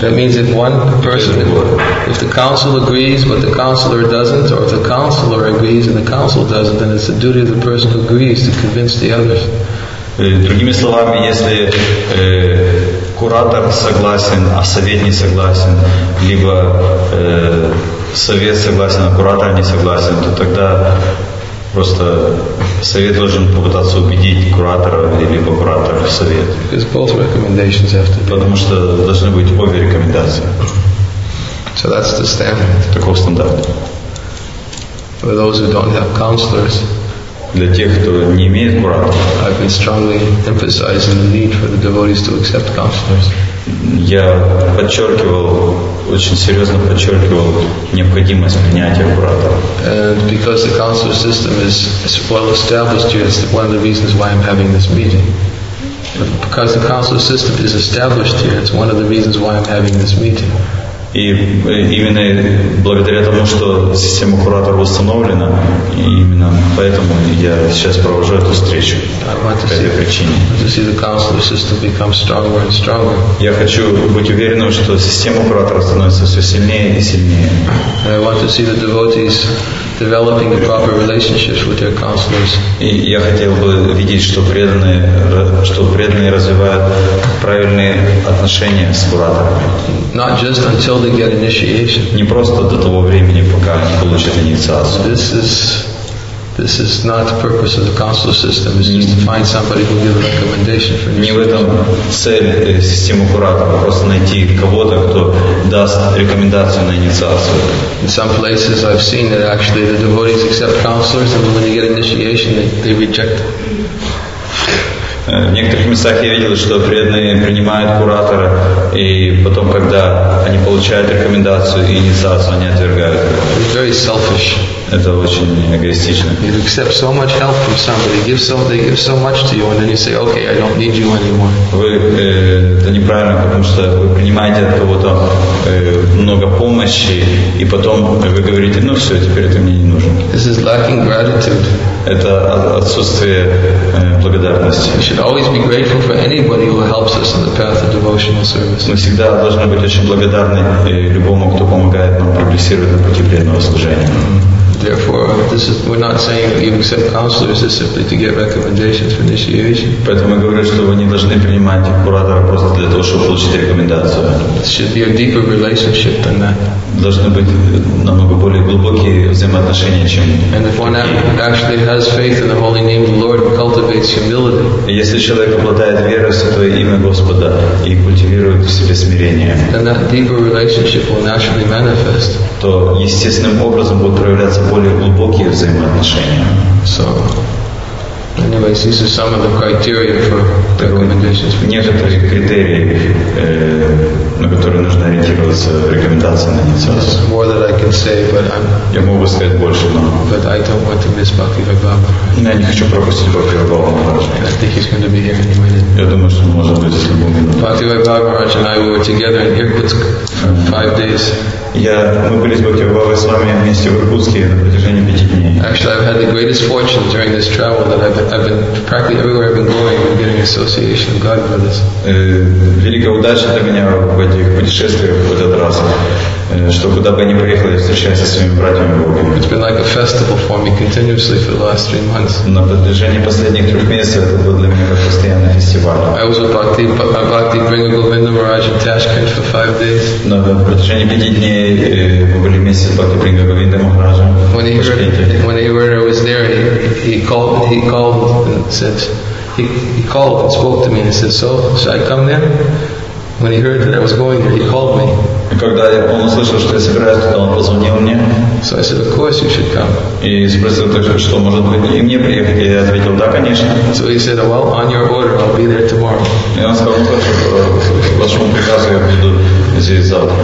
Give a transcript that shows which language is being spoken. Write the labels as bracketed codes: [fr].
[en] That means if one person, if the council agrees but the counselor doesn't, or if the counselor agrees and the council doesn't, then it's the duty of the person who agrees to convince the others. [ru] Другими словами, если куратор согласен, а совет не согласен, либо совет согласен, а куратор не согласен, то тогда просто совет должен попытаться убедить куратора или куратора в совет. [en] Because both recommendations have to be. [ru] Потому что должны быть обе рекомендации. [en] So that's the standard. [ru] Таков стандарт. [en] For those who don't have counselors. [ru] Для тех, кто не имеет куратора. [en] I've been strongly emphasizing the need for the devotees to accept counselors. [ru] Я подчеркивал, очень серьезно подчеркивал необходимость принятия куратора. [en] And because the counselor system is well established here, it's one of the reasons why I'm having this meeting. Because the counselor system is established here, it's one of the reasons why I'm having this meeting. [ru] И именно благодаря тому, что система куратора установлена, именно поэтому я сейчас провожу эту встречу по этой причине. [en] Stronger. [ru] Я хочу быть уверенным, что система куратора становится все сильнее и сильнее. [en] I want to see the devotees developing the proper relationships with their counselors. [ru] И я хотел бы видеть, что преданные развивают правильные отношения с кураторами. [en] Not just until they get initiation. [ru] Не просто до того времени, пока они получат инициацию. [en] This is not the purpose of the counselor system. It's just to find somebody who gives a recommendation for [ru] initiation. Не в этом цель системы куратора, просто найти кого-то, кто даст рекомендацию на инициацию. [en] In some places I've seen that actually the devotees accept counselors, and when they get initiation, they reject them. [ru] В некоторых местах я видел, что преданные принимают куратора, И потом, когда они получают рекомендацию и инициацию, они отвергают ее. [en] Very selfish. [ru] Это очень эгоистично. [en] You accept so much help from somebody, they give so much to you, and then you say, okay, I don't need you anymore. [ru] Вы это неправильно, потому что вы принимаете от кого-то много помощи, и потом вы говорите, ну все, теперь ты мне не нужен. [en] This is lacking gratitude. [ru] Это отсутствие благодарности. [en] We should always be grateful for anybody who helps us on the path of devotional service. [ru] Мы всегда должны быть очень благодарны любому, кто помогает нам прогрессировать на пути преданного служения. [en] Therefore, this is, we're not saying that you accept counselors just simply to get recommendations for initiation. [ru] Поэтому я говорю, что вы не должны принимать куратора просто для того, чтобы получить рекомендацию. [en] There should be a deeper relationship than that. [ru] Должны быть намного более глубокие взаимоотношения, чем. [en] And if one actually has faith in the holy name of the Lord, cultivates humility. [ru] Если человек обладает верой в Святое Имя Господа и культивирует в себе смирение, [en] then that deeper relationship will naturally manifest. [ru] То естественным образом будут проявляться более глубокие взаимоотношения. [en] So, anyways, these are some of the criteria for recommendations. [ru] Некоторые критерии, на которые нужно ориентироваться в рекомендации на инициацию. [en] More than I can say, but I'm. [ru] Я мог бы сказать больше, но. [en] But I don't want to miss Bhakti Vaibhava. [ru] Я не хочу пропустить Бхакти Вайбхава Махараджа. [en] I think he's going to be here any minute. [ru] Я думаю, что может быть в любую минуту. [en] Bhakti Vaibhava Maharaj and I were together in Irkutsk for 5 days. [ru] Мы были с Бхакти Вайбхавой с вами вместе в Иркутске на протяжении 5 дней. [en] Actually, I've had the greatest fortune during this travel that I've been practically everywhere I've been going, I'm getting association of God brothers. [ru] Великая удача для меня в этих путешествиях в этот раз, что куда бы я ни приехал, я встречаюсь со своими братьями Богами. [en] It's been like a festival for me continuously for the last 3 months. [ru] На протяжении последних 3 месяцев это был для меня как постоянный фестиваль. [en] I was with Bhakti Vrinda Govinda Maharaj in Tashkent for 5 days. [ru] На протяжении 5 дней мы были вместе с Бхакти Вринда Говиндой Махараджем. [en] When he heard I was there, he called and spoke to me and said, so should I come there? When he heard that I was going there, he called me. [ru] И когда он услышал, что я собираюсь туда, он позвонил мне. [en] So I said, of course you should come. [ru] И спросил так, что может быть и мне приехать. И я ответил, да, конечно. [en] So he said, well, on your order, I'll be there tomorrow. [ru] И он сказал, хорошо, по вашему приказу я буду здесь завтра.